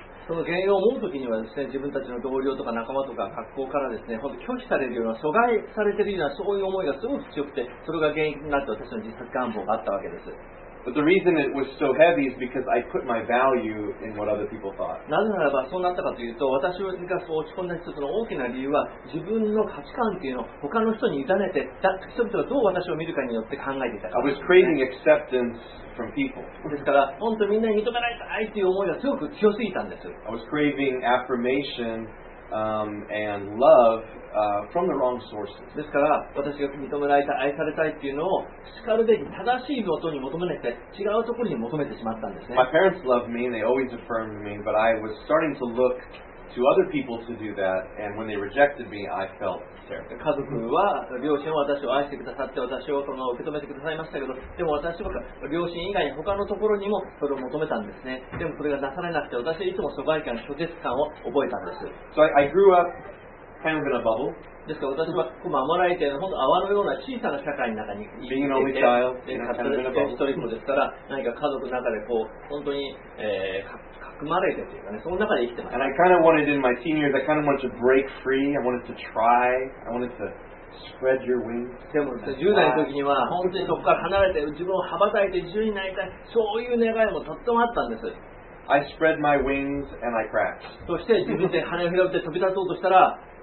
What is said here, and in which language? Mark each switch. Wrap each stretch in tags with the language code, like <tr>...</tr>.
<ja>その原因を思うときにはですね、自分たちの同僚とか仲間とか学校からですね、本当拒否されるような、阻害されているような、そういう思いがすごく強くて、それが原因になって私の自殺願望があったわけです。</ja> <en>But the reason it was so heavy is because I put my value in what other people thought.</en> <ja>なぜならばそうなったかというと、私がそう落ち込んだ一つの大きな理由は、自分の価値観というのを他の人に委ねて、人々がどう私を見るかによって考えていたから、</ja> <en>ね。I was craving acceptance from people.</en> <ja>ですから、本当にみんなに認められたいという思いがすごく強すぎたんです。</ja> <en>I was craving affirmation, and love. From the wrong sources.</en> <ja>ですから私が認められた愛されたいっていうのをしかるべき正しい元に求めて違うところに求めてしまったんですね。</ja> <en>My parents loved me and they always affirmed me, but I was starting to look to other people to do that, and when they rejected me, I felt terrible.</en> <ja>家族は両親は私を愛してくださって私をその受け止めてくださいましたけど、でも私は両親以外に他のところにもそれを求めたんですね。でもそれがなされなくて私はいつも疎外感、拒絶感を覚えたんです。</ja> <en>So I grew upKind of in a bubble.</en> <ja>ですから私は守られて、本当泡のような小さな社会の中に生きていて、一人っ子ですから、何か家族の中でこう本当に、かくまれてというかね、その中で生きてます。</ja> <en>And I kind of wanted in my teen years, I kind of wanted to break free. I wanted to try. I wanted to spread your wings.</en> <ja>でも10代の時には本当にそこから離れて自分を羽ばたいて自由になりたい、そういう願いもとってもあったんです。</ja> <en>I spread my wings and I crashed.</en> <ja>そして自分で羽を広げて飛び立とうとしたら。</ja>